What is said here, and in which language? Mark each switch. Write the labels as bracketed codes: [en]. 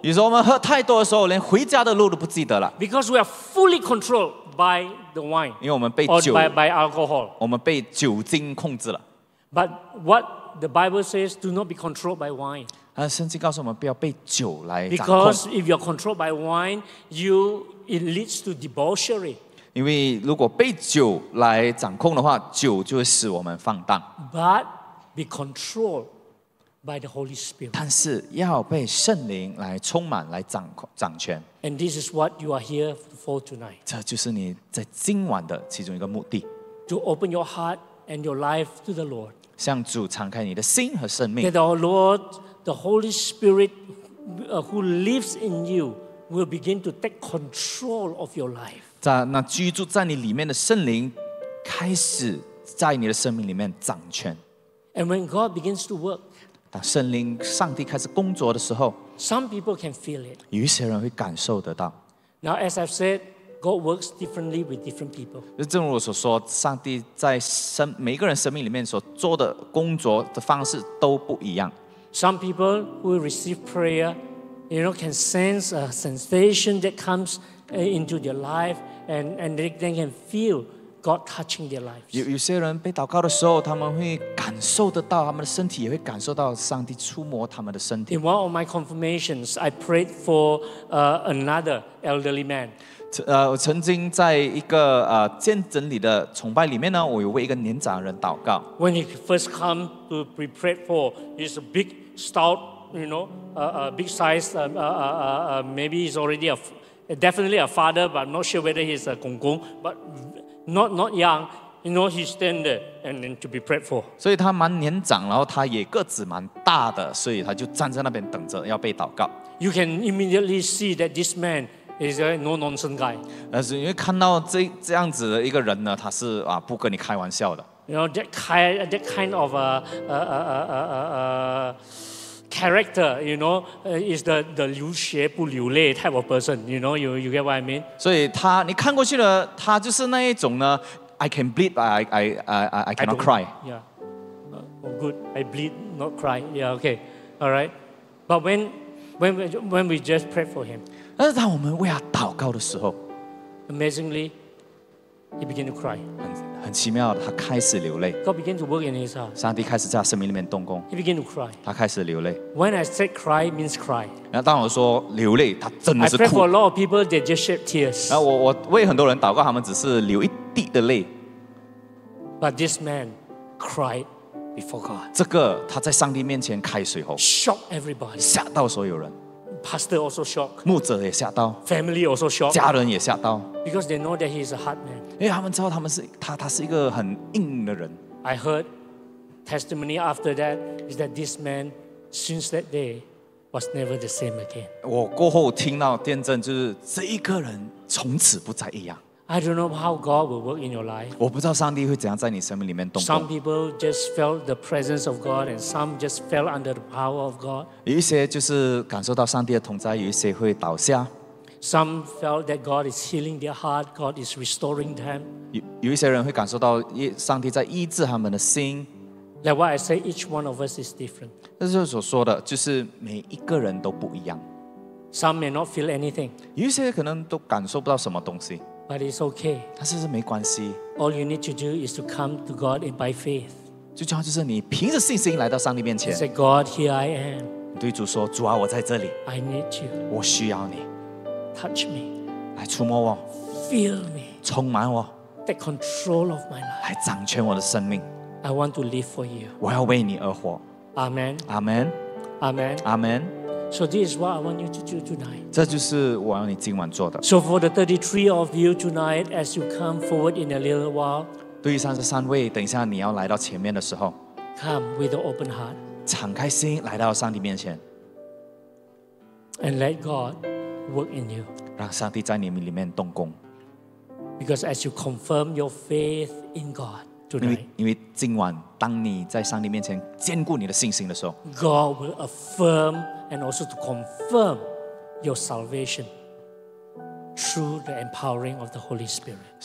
[zh] 有时候我们喝太多的时候，连回家的路都不记得了。 [en] Because we are fully controlled by the wine. [zh] 因为我们被酒 [en] by alcohol. [zh] 我们被酒精控制了。 [en] But what the Bible says, do not be controlled by wine. [zh] 圣经告诉我们不要被酒来掌控。 [en] Because if you are controlled by wine, it leads to debauchery. [zh] 因为如果被酒来掌控的话，酒就会使我们放荡。 [en] But be controlled by the Holy Spirit. [zh] 但是要被圣灵来充满，来掌权。 [en] And this is what you are here for tonight. [zh] 这就是你在今晚的其中一个目的。 [en] To open your heart and your life to the Lord. [zh] 向主敞开你的心和生命。 [en] That the Lord, the Holy Spirit, who lives in you, will begin to take control of your life. [zh] 那居住在你里面的圣灵开始在你的生命里面掌权。 [en] And when God begins to work, [zh] 当圣灵上帝开始工作的时候 [en] some people can feel it. [zh] 有一些人会感受得到。 [en] Now, as I've said, God works differently with different people. [zh] 正如我所说，上帝在每个人生命里面所做的工作的方式都不一样。 [en] Some people will receive prayer you know, can sense a sensation that comes into their life, and they can feel God touching their lives. [zh] 有些人被祷告的时候, 他们会感受得到, 他们的身体也会感受到上帝触摸他们的身体。 [en] In one of my confirmations, I prayed for another elderly man. [zh] 我曾经在一个 见证礼的崇拜里面呢, 我有为一个年长人祷告。 [en] When he first come to be prayed for, he's a big, stout, you know, big size, maybe he's already a, definitely a father, but I'm not sure whether he's a gonggong, but not young, you know, he stand there and then to be prayed for. [zh] 所以他蛮年长, 然后他也个子蛮大的, 所以他就站在那边等着, 要被祷告。 [en] You can immediately see that this man is a no-nonsense guy. [zh] 因为看到这样子的一个人呢, 他是, 啊, 不跟你开玩笑的。 [en] You know, that kind of a character, you know, is the [zh] 流血不流泪 [en] type of person, you know, you get what I mean? [zh] 所以他, 你看过去呢, 他就是那一种呢, [en] I can bleed, but I cannot cry. Yeah. Oh, good. I bleed, not cry. Yeah, okay. All right. But when we just pray for him, [zh] 但是当我们为他祷告的时候, [en] amazingly, he began to cry. [zh] 很奇妙的，他开始流泪。 [en] God began to work in his heart. [zh] 上帝开始在他生命里面动工。 [en] He began to cry. [zh] 他开始流泪。 [en] When I said cry, means cry. [zh] 那当我说流泪，他真的是哭。 [en] I pray for a lot of people, they just shed tears. [zh] 我为很多人祷告，他们只是流一滴的泪。 [en] But this man cried before God. [zh] 这个他在上帝面前开水喉。 [en] Shocked everybody. [zh] 吓到所有人。 [en] Pastor also shocked. [zh] 牧者也吓到。 [en] Family also shocked. [zh] 家人也吓到。 [en] Because they know that he is a hard man. [zh] 因为他们知道他是一个很硬的人。 [en] I heard testimony after that is that this man since that day was never the same again. [zh] 我过后听到见证就是这一个人从此不再一样。 [en] I don't know how God will work in your life. [zh] 我不知道上帝会怎样在你生命里面动工。 [en] Some people just felt the presence of God and some just fell under the power of God. [zh] 有一些就是感受到上帝的同在, 有一些会倒下。 [en] Some felt that God is healing their heart, God is restoring them. [zh] 有一些人会感受到上帝在医治他们的心。 [en] Like what I say, each one of us is different. [zh] 这就是所说的，就是每一个人都不一样。 [en] Some may not feel anything. [zh] 有一些可能都感受不到什么东西。 [en] But it's okay. [zh] 但是是没关系。 [en] All you need to do is to come to God and by faith. [zh] 最重要就是你凭着信心来到上帝面前。 [en] Say, God, here I am. [zh] 对主说，主啊，我在这里。 [en] I need you. [zh] 我需要你。 [en] Touch me. [zh] 来触摸我。 [en] Feel me. [zh] 充满我。 [en] Take control of my life. [zh] 来掌权我的生命。 [en] I want to live for you. [zh] 我要为你而活。 [en] Amen. Amen. Amen. Amen. So this is what I want you to do tonight. [zh] 这就是我要你今晚做的。 [en] So for the 33 of you tonight, as you come forward in a little while, [zh] 对于33位, 等一下你要来到前面的时候, [en] come with an open heart. [zh] 敞开心来到上帝面前。 [en] And let God work in you. [zh] 让上帝在你里面动工。 [en] Because as you confirm your faith in God tonight, [zh] 因为今晚当你在上帝面前坚固你的信心的时候, [en] God will affirm and also to confirm your salvation through the empowering of the Holy Spirit.